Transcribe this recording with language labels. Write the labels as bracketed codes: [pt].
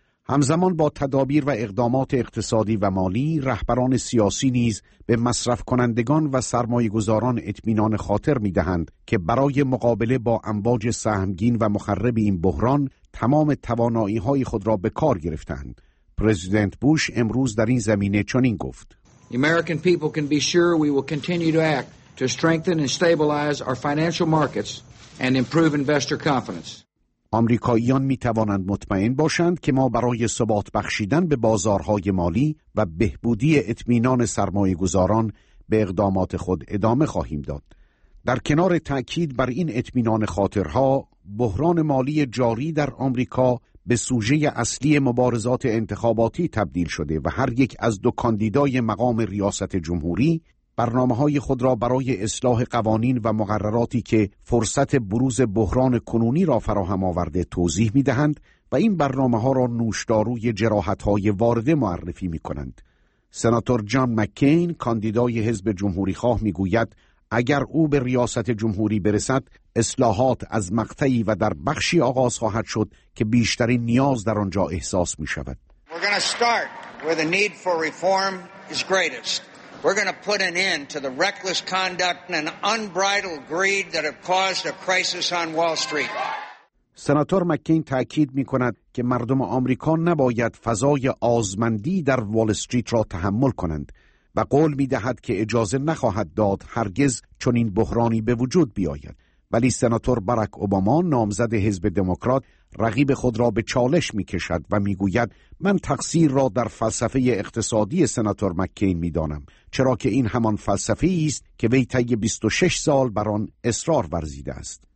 [fa] همزمان با تدابیر و اقدامات اقتصادی و مالی، رهبران سیاسی نیز به مصرف کنندگان و سرمایه گذاران اطمینان خاطر می دهند که برای مقابله با امواج سهمگین و مخرب این بحران تمام توانایی های خود را به کار گرفتند. پرزیدنت بوش امروز در این زمینه چنین گفت: [en] The American people can be sure we will continue to act to strengthen and stabilize our financial markets and improve investor confidence. [fa] آمریکاییان می توانند مطمئن باشند که ما برای ثبات بخشیدن به بازارهای مالی و بهبودی اطمینان سرمایه گذاران به اقدامات خود ادامه خواهیم داد. در کنار تأکید بر این اطمینان خاطرها، بحران مالی جاری در آمریکا به سوژه اصلی مبارزات انتخاباتی تبدیل شده و هر یک از دو کاندیدای مقام ریاست جمهوری برنامه‌های خود را برای اصلاح قوانین و مقرراتی که فرصت بروز بحران کنونی را فراهم آورده توضیح می‌دهند و این برنامه‌ها را نوشداروی جراحت‌های وارده معرفی می‌کنند. سناتور جان مک‌کین، کاندیدای حزب جمهوری‌خواه، می‌گوید اگر او به ریاست جمهوری برسد، اصلاحات از مقطعی و در بخشی آغاز خواهد شد که بیشترین نیاز در آنجا احساس می شود. [en] We're going to start where the need for reform is greatest. We're going to put an end to the reckless conduct and unbridled greed that have caused a crisis on Wall Street. [fa] سناتور مک‌کین تأکید می کند که مردم آمریکا نباید فضای آزمندی در وال استریت را تحمل کنند و قول می دهد که اجازه نخواهد داد هرگز چنین بحرانی به وجود بیاید. ولی سناتور باراک اوباما، نامزد حزب دموکرات، رقیب خود را به چالش می کشد و می گوید من تقصیر را در فلسفه اقتصادی سناتور مک‌کین می دانم، چرا که این همان فلسفه است که وی طی 26 سال بر آن اصرار ورزیده است.